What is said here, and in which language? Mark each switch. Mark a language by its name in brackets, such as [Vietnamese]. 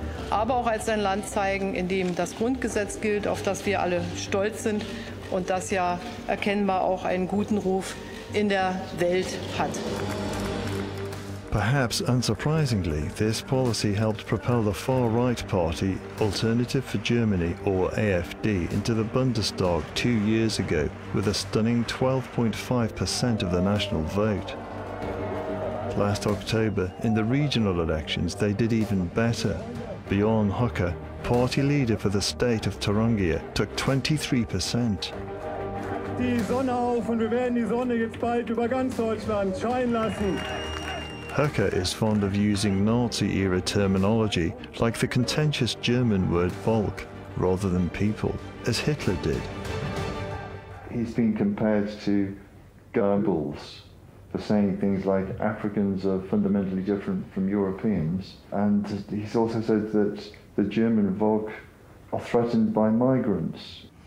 [German] Aber auch als ein Land zeigen, in dem das Grundgesetz gilt, auf das wir alle stolz sind und das ja erkennbar auch einen guten Ruf in der Welt hat. [English] Perhaps unsurprisingly, this policy helped propel the far-right party Alternative for Germany, or AfD, into the Bundestag 2 years ago with a stunning 12.5% of the national vote. Last October, in the regional elections, they did even better. Björn Höcke, party leader for the state of Thuringia, took 23%. [German] Die Sonne auf und wir werden die Sonne jetzt bald über ganz Deutschland scheinen lassen. [English] Höcke is fond of using Nazi-era terminology, like the contentious German word Volk, rather than people, as Hitler did. He's been compared to Goebbels for saying things like Africans are fundamentally different from Europeans, and he's also said that the German Volk are threatened by migrants.